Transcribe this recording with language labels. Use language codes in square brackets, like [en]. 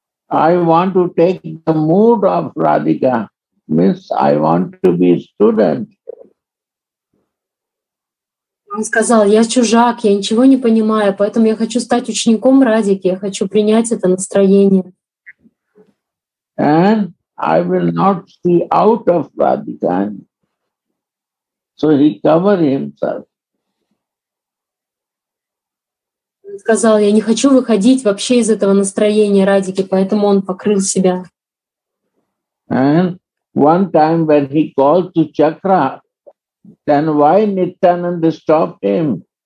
[en] I want to take the mood of Radhika. Means I want to be student. [ru] Он сказал, я чужак, я ничего не понимаю, поэтому я хочу стать учеником Радики, я хочу принять это настроение. [en] And I will not see out of Radhika. So he covered himself. [ru] Он сказал, я не хочу выходить вообще из этого настроения Радики, поэтому он покрыл себя. [en] And one time when he called to Chakra, then why Nityananda stopped him?